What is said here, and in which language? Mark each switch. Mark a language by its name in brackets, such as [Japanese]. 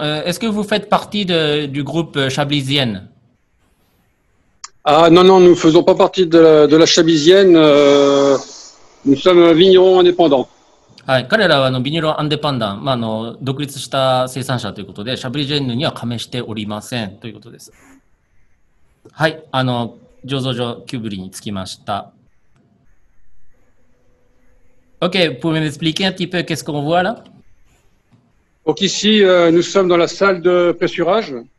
[French] Est-ce que vous faites partie du groupe Chablisienne? Ah, non, non, nous ne faisons pas partie de la Chablisienne. Nous sommes un vigneron indépendant. [Japanese] Ah, 彼らはvigneron indépendant, まあ独立した生産者ということで、Chablisienneには加盟しておりませんということです。はい、醸造所キューブリに着きました。 [French] Ok, vous pouvez m'expliquer un petit peu qu'est-ce qu'on voit là? Donc ici, nous sommes dans la salle de pressurage.